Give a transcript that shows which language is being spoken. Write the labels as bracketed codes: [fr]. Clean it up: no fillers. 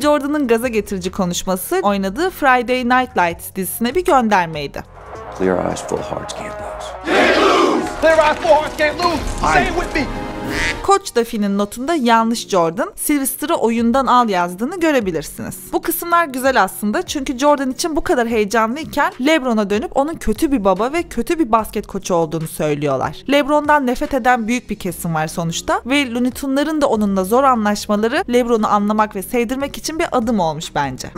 [tr] Jordan'ın gaza getirici konuşması oynadığı Friday Night Lights dizisine bir göndermeydi. [en] Clear eyes, full hearts can't lose. Can't lose! Clear eyes, full hearts can't lose! Say it with me! [tr] Coach Duffy'nin notunda yanlış Jordan, Sylvester'ı oyundan al yazdığını görebilirsiniz. Bu kısımlar güzel aslında çünkü Jordan için bu kadar heyecanlıyken LeBron'a dönüp onun kötü bir baba ve kötü bir basket koçu olduğunu söylüyorlar. LeBron'dan nefret eden büyük bir kesim var sonuçta ve Looney Tunes'ların da onunla zor anlaşmaları LeBron'u anlamak ve sevdirmek için bir adım olmuş bence.